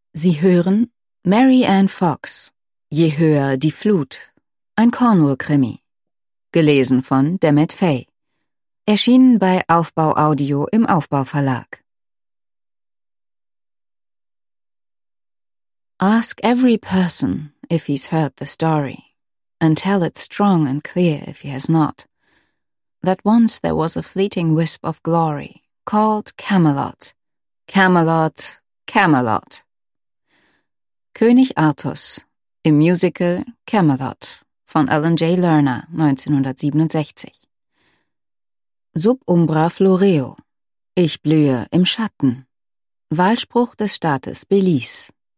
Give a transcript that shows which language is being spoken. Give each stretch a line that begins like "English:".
German: Sie hören Mary Ann Fox, Je höher die Flut, ein Cornwall-Krimi. Gelesen von Demet Fay. Erschienen bei Aufbau Audio im Aufbau Verlag.
English: Ask every person if he's heard the story, and tell it strong and clear if he has not, that once there was a fleeting wisp of glory called Camelot. Camelot, Camelot.
German: König Artus im Musical Camelot von Alan J. Lerner 1967.
Latin: Sub umbra floreo,
German: ich blühe im Schatten. Wahlspruch des Staates Belize.